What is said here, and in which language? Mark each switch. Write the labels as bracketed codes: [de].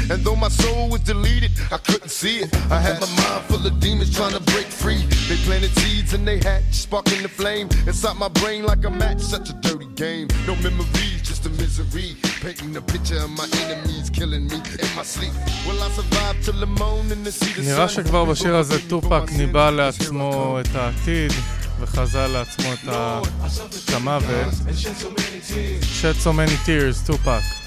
[en] And though my soul was deleted, I couldn't see it. I had my mind full of demons trying to break free. They planted seeds and they hatched, sparking the flame inside my brain like a match, such a dirty game. No memories, just a misery, painting a picture of my enemies killing me in my sleep. Will I survive till the morning to see the sun? [he] נראה שכבר בשיר הזה טופק ניבא לעצמו את העתיד וחזה לעצמו את המוות. [en] Shed so many tears, [he] טופק.